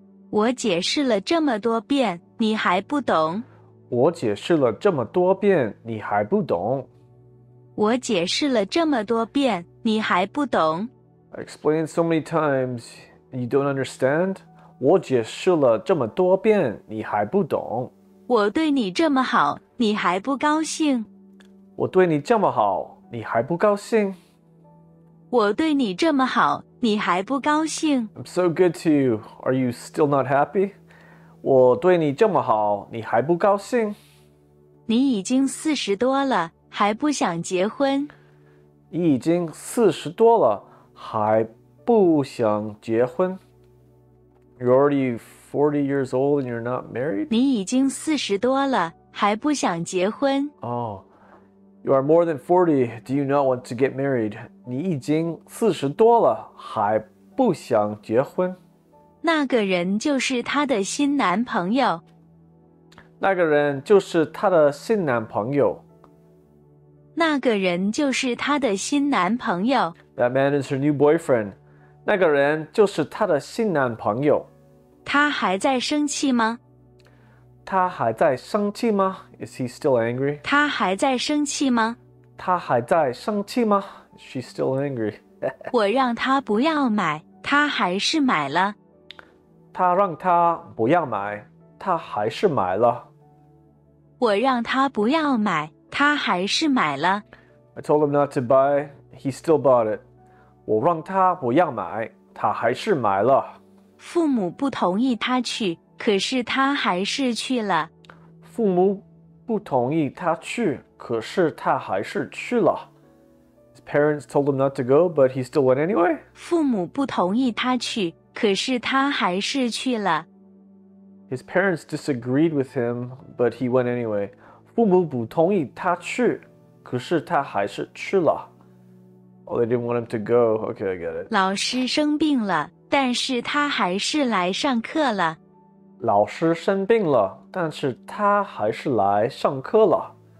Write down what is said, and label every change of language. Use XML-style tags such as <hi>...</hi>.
<zh>我解释了这么多遍，你还不懂？我解释了这么多遍，你还不懂？我解释了这么多遍，你还不懂？</zh> <en>I explained so many times, you don't understand?</en> <zh>我解释了这么多遍，你还不懂？我对你这么好，你还不高兴？我对你这么好，你还不高兴？我对你这么好，你还不高兴？</zh> <en>I'm so good to you, are you still not happy?</en> <zh>我对你这么好，你还不高兴？你已经四十多了，还不想结婚？你已经四十多了，还不想结婚？</zh> <en>You're already 40 years old and you're not married?</en> <zh>你已经四十多了，还不想结婚？</zh> <en>Oh, you are more than 40, do you not want to get married?</en> <zh>你已经四十多了，还不想结婚？那个人就是他的新男朋友。那个人就是他的新男朋友。那个人就是他的新男朋友。</zh> <en>That man is her new boyfriend.</en> <zh>那个人就是他的新男朋友。他还在生气吗？他还在生气吗？</zh> <en>Is he still angry?</en> <zh>他还在生气吗？他还在生气吗？</zh> <en>Is she still angry?</en> <zh>我让他不要买，他还是买了。他让他不要买，他还是买了。我让他不要买，他还是买了。</zh> <en>I told him not to buy, he still bought it.</en> <zh>我让他不要买，他还是买了。父母不同意他去，可是他还是去了。父母不同意他去，可是他还是去了。</zh> <en>His parents told him not to go, but he still went anyway.</en> <zh>父母不同意他去，可是他还是去了。</zh> <en>His parents disagreed with him, but he went anyway.</en> <zh>父母不同意他去，可是他还是去了。</zh> <en>Oh, they didn't want him to go. Okay, I get it.</en> <zh>老师生病了，但是他还是来上课了。老师生病了，但是他还是来上课了。</zh>